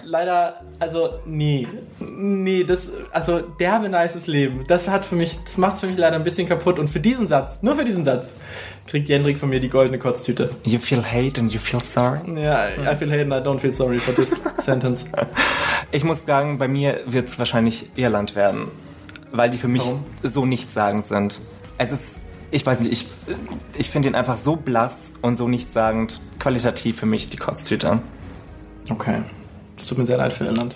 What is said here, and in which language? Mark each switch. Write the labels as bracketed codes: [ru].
[de] Leider, also nee, das, also derbe nices Leben, das macht's für mich leider ein bisschen kaputt. Und nur für diesen Satz, kriegt Jendrik von mir die goldene Kotztüte. [en] You feel hate and you feel sorry? [de] Ja, [en] I feel hate and I don't feel sorry for this sentence. [de] Ich muss sagen, bei mir wird's wahrscheinlich Irland werden, weil die für mich so nichtssagend sind. Es ist, ich weiß nicht, ich finde ihn einfach so blass und so nichtssagend qualitativ für mich, die Kotztüte. Okay. Es tut mir sehr leid für Irland.